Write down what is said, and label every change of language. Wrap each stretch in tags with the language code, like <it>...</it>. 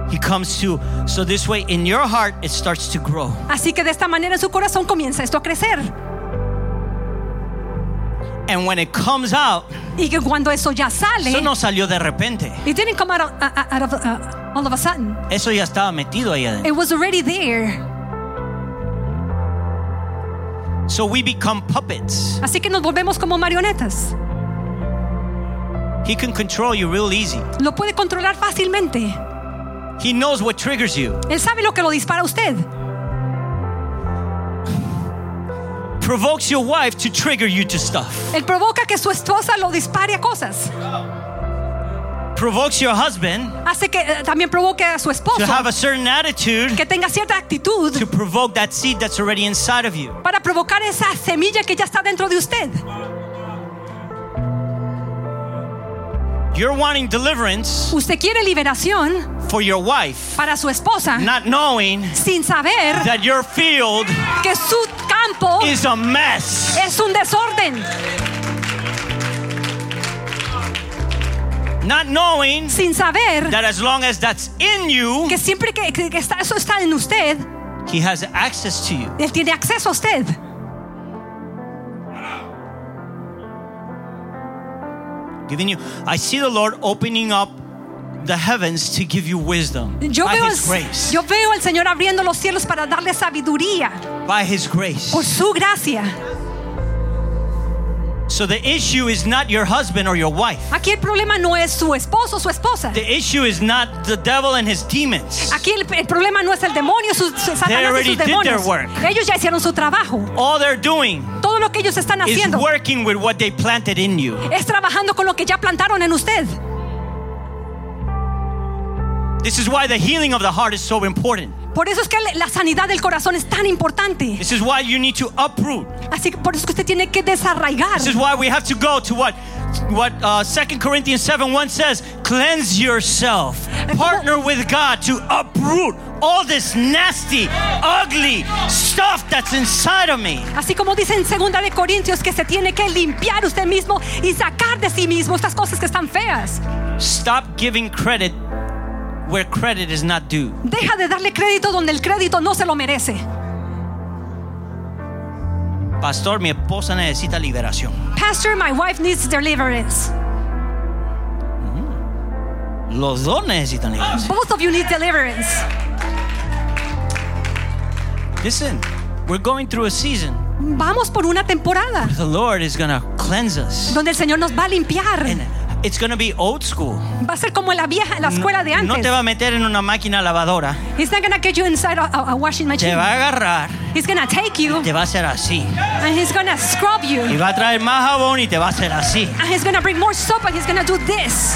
<en>He comes to, so this way in your heart it starts to grow.</en> <es>Así que de esta manera en su corazón comienza esto a crecer.</es> <en>And when it comes out,</en> <es>y que cuando eso ya sale, eso no salió de repente.</es> <en>It didn't come out of all of a sudden.</en> <es>Eso ya estaba metido ahí adentro.</es> <en>It was already there. So we become puppets.</en> <es>Así que nos volvemos como marionetas.</es> <en>He can control you real easy.</en> <es>Lo puede controlar fácilmente.</es> <en>He knows what triggers you.</en> <es>Él sabe lo que lo dispara a usted.</es> <en>Provokes your wife to trigger you to stuff.</en> <es>Él provoca que su esposa lo dispare a cosas.</es> <en>Provokes your husband.</en> <es>Hace que también provoque a su esposo.</es> <en>To have a certain attitude.</en> <es>Que tenga cierta actitud.</es> <en>To provoke that seed that's already inside of you.</en> <es>Para provocar esa semilla que ya está dentro de usted.</es> <en>You're wanting deliverance.</en> <es>Usted quiere liberación.</es> <en>For your wife.</en> <es>Para su esposa.</es> <en>Not knowing.</en> <es>Sin saber.</es> <en>That your field.</en> <es>Que su campo.</es> <en>Is a mess.</en> <es>Es un desorden.</es> <en>Not knowing.</en> <es>Sin saber.</es> <en>That as long as that's in you.</en> <es>Que siempre que está, eso está en usted.</es> <en>He has access to you.</en> <es>Él tiene acceso a usted.</es> <en>Giving you, I see the Lord opening up the heavens to give you wisdom by His grace.</en> <es>Yo veo al Señor abriendo los cielos para darle sabiduría.</es> <en>By His grace.</en> <es>Por su gracia.</es> <en>So the issue is not your husband or your wife.</en> <es>Aquí el problema no es su esposo o su esposa.</es> <en>The issue is not the devil and his demons.</en> <es>Aquí el problema no es el demonio, Satanás y sus demonios.</es> <en>They already did their work.</en> <es>Ellos ya hicieron su trabajo.</es> <en>All they're doing.</en> <es>Todo lo que ellos están haciendo.</es> <en>Is working with what they planted in you.</en> <es>Es trabajando con lo que ya plantaron en usted.</es> <en>This is why the healing of the heart is so important.</en> <es>Por eso es que la sanidad del corazón es tan importante.</es> <en>This is why you need to uproot.</en> <es>Así que por eso es que usted tiene que desarraigar.</es> <en>This is why we have to go to what 2 Corinthians 7:1 says, cleanse yourself. Partner with God to uproot all this nasty, ugly stuff that's inside of me.</en> <es>Así como dice en 2 de Corintios que se tiene que limpiar usted mismo y sacar de sí mismo estas cosas que están feas.</es> <en>Stop giving credit where credit is not due.</en> <es>Deja de darle crédito donde el crédito no se lo merece. Pastor, mi esposa necesita liberación.</es> <en>Pastor, my wife needs deliverance.</en> <es>Los dos necesitan liberación.</es> <en>Both of you need deliverance.</en> <es>Listen, we're going through a season.</es> <en>Vamos por una temporada.</en> <es>The Lord is going to cleanse us.</es> <en>Donde el Señor nos va a limpiar.</en> <es>It's going to be old school. Va a ser como la vieja, la escuela de antes. No te va a meter en una máquina lavadora.</es> <en>He's not going to get you inside a washing machine.</en> <es>Te va a agarrar.</es> <en>He's going to take you.</en> <es>Te va a hacer así.</es> <en>And he's going to scrub you.</en> <es>Y va a traer más jabón y te va a hacer así.</es> <en>And he's going to bring more soap and he's going to do this.</en>